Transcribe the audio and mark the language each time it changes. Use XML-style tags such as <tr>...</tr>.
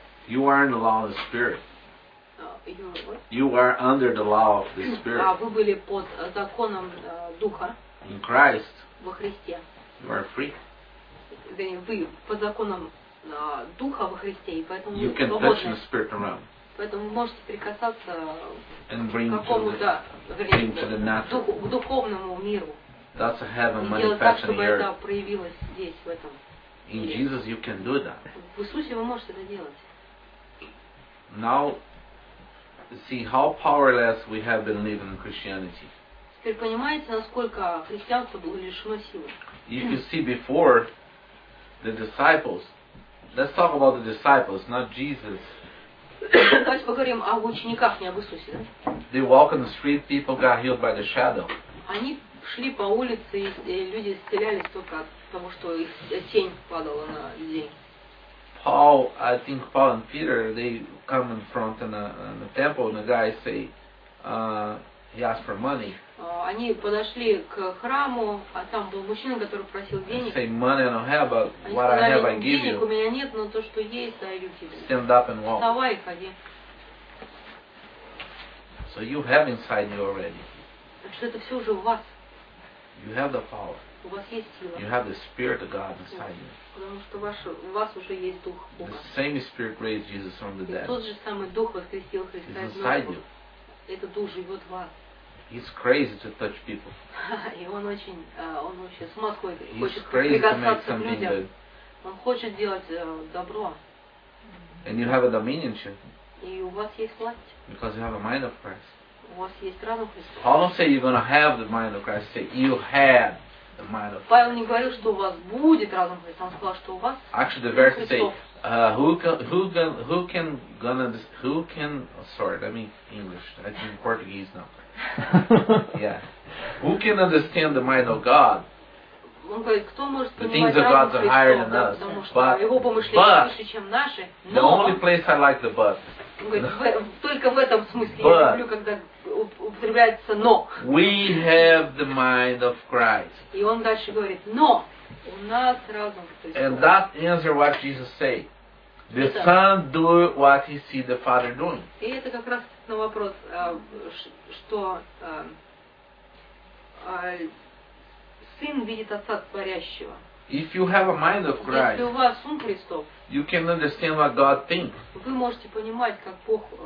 <en>You are in the law of the spirit. You are under the law of the Spirit.</en> <ru>А вы были под законом духа.</ru> <en>In Christ.</en> <ru>Во Христе.</ru> <en>You are free.</en> <ru>Вы под законом духа во Христе, и поэтому</ru> <en>you can touch the spirit realm.</en> <ru>Поэтому вы можете прикасаться</ru> <en>and bring</en> <ru>к какому-то к духовному миру.</ru> <en>That's a heaven</en> <ru>и делать так, чтобы это проявилось здесь в этом.</ru> <en>In Jesus, you can do that.</en> <ru>В Иисусе вы можете это делать.</ru> <en>Now. See how powerless we have been living in Christianity.</en> <ru>Теперь понимаете, насколько христианство было лишено силы?</ru> <en>You can see before the disciples. Let's talk about the disciples, not Jesus.</en> <ru>Давайте поговорим о учениках, не об Иисусе.</ru> <en>They walk on the street, people got healed by the shadow.</en> <ru>Они шли по улице, и люди исцелялись только от того, что их тень падала на людей.</ru> <en>Paul, I think Paul and Peter, they come in front of the temple, and the guy say, he asked for money.</en> <ru>Они подошли к храму, а там был мужчина, который просил денег.</ru> <en>Say money I don't have, but</en> <ru>они</ru> <en>what</en> <ru>сказали,</ru> <en>I have, I give you.</en> <ru>Денег у меня нет, но то, что есть, даю тебе.</ru> <en>Stand up and walk.</en> <ru>Вставай, ходи.</ru> <en>So you have inside you already.</en> <ru>Так что это все уже у вас.</ru> <en>You have the power.</en> <ru>У вас есть сила.</ru> <en>You have the spirit of God inside you.</en> <ru>Потому что у вас уже есть дух Бога.</ru> <en>The same spirit raised Jesus from the dead.</en> <ru>И тот же самый дух воскресил Христа из мертвых. Этот дух живет в вас.</ru> <en>He's crazy to touch people.</en> <ru>И он очень, он вообще с ума сходит, хочет прикасаться к людям. Он хочет делать добро.</ru> <en>And you have a dominion, shouldn't you?</en> <ru>И у вас есть власть.</ru> <en>Because you have a mind of Christ.</en> <ru>У вас есть разум Христа.</ru> <en>Paul don't say you're gonna have the mind of Christ. Say you have the mind of.</en> <ru>Павел не говорил, что у вас будет разум Христа. Он сказал, что у вас.</ru> <en>Actually, the verse say, who can sorry, let me English. I think Portuguese now. Yeah. Who can understand the mind of God?</en> <ru>Он говорит, кто может</ru> <en>the things of God are higher than</en> <ru>да,</ru> <en>us. But the only place I like the but.</en> <ru>Только в этом смысле я люблю, когда употребляется но.</ru> <en>We have the mind of Christ.</en> <ru>И он дальше говорит, но у нас разум.</ru> <en>And that answer what Jesus say. The Son do what he see the Father doing.</en> <ru>И это как раз на вопрос, что Сын видит Отца Творящего.</ru> <en>If you have a mind of Christ,</en> <ru>если у вас ум Христов,</ru> <en>you can understand what God thinks.</en> <ru>Вы можете понимать, как Бог</ru>